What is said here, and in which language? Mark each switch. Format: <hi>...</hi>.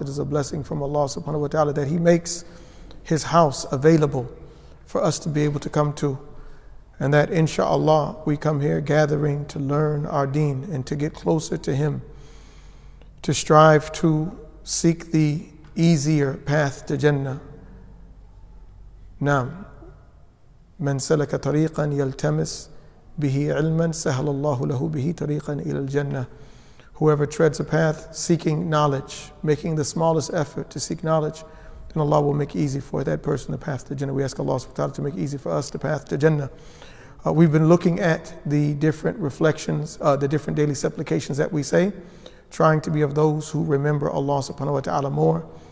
<en>It is a blessing from Allah subhanahu wa ta'ala that he makes his house available for us to be able to come to. And that inshallah we come here gathering to learn our deen and to get closer to him, to strive to seek the easier path to Jannah.</en> <ar>Naam. من سلك طريقا يلتمس به علما سهل الله له به طريقا إلى الجنة.</ar> <en>Whoever treads a path seeking knowledge, making the smallest effort to seek knowledge, then Allah will make easy for that person the path to Jannah. We ask Allah subhanahu wa ta'ala to make easy for us the path to Jannah. We've been looking at the different reflections, the different daily supplications that we say, trying to be of those who remember Allah subhanahu wa ta'ala more.</en>